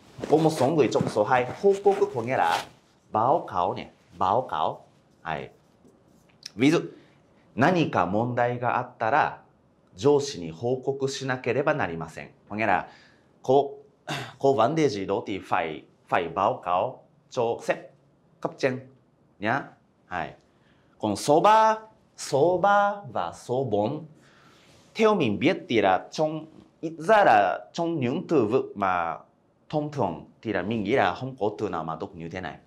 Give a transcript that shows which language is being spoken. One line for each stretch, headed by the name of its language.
Vietnamese: Có một số người trong số 2, hô cố cứ có nghĩa là báo cáo nhỉ, báo cáo. Hay.
Japanese: Ví dụ, 何か問題があったら上司に報告しなければなりません.
Vietnamese: Có nghĩa là có vấn đề gì đó thì phải báo cáo cho sếp cấp trên nhá. Hay. Còn số 3 và số 4, theo mình biết thì là trong ít ra là trong những từ vựng mà thông thường thì là mình nghĩ là không có từ nào mà đọc như thế này.